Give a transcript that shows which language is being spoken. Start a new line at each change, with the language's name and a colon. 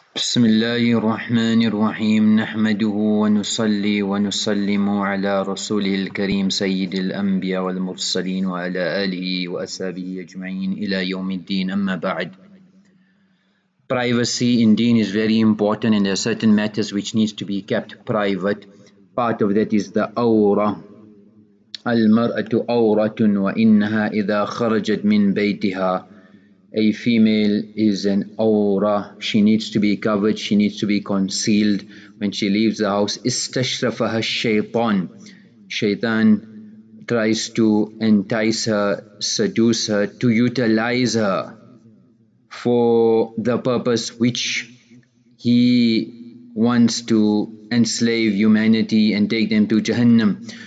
Arabic: بسم الله الرحمن الرحيم نحمده ونصلي ونسلم على رسوله الكريم سيد الأنبياء والمرسلين وعلى آله وأصحابه أجمعين إلى يوم الدين أما بعد.
English: Privacy in deen is very important and there are certain matters which needs to be kept private. Part of that is the awra.
Arabic: المرأة أورة وإنها إذا خرجت من بيتها.
English: A female is an awra. She needs to be covered. She needs to be concealed. When she leaves the house,
Arabic: استشرفها الشيطان.
English: Shaitan tries to entice her, seduce her, to utilize her for the purpose which he wants to enslave humanity and take them to Jahannam.